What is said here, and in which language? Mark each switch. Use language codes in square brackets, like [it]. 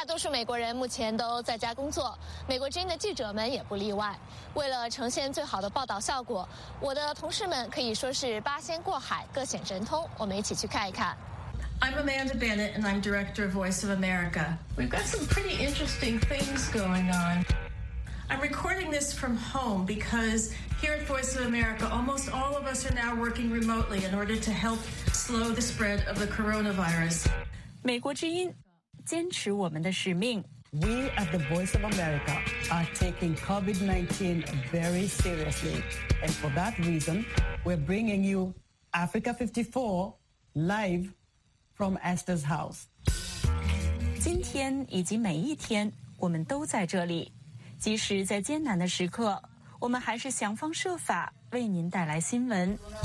[zh] 美国人目前都在家工作，美国之音的记者们也不例外。为了呈现最好的报道效果，我的同事们可以说是八仙过海，各显神通。我们一起去看一看。 [en] I'm Amanda Bennett and I'm director of Voice of America. We've got some pretty interesting things going on. I'm recording this from home because here at Voice of America, almost all of us are now working remotely in order to help slow the spread of the coronavirus. [zh] 美国之音。坚持我们的使命。 [en] We at the Voice of America are taking COVID-19 very seriously. And for that reason, we're bringing you Africa 54 live from Esther's house. [zh] 今天以及每一天，我们都在这里。即使在艰难的时刻，我们还是想方设法为您带来新闻。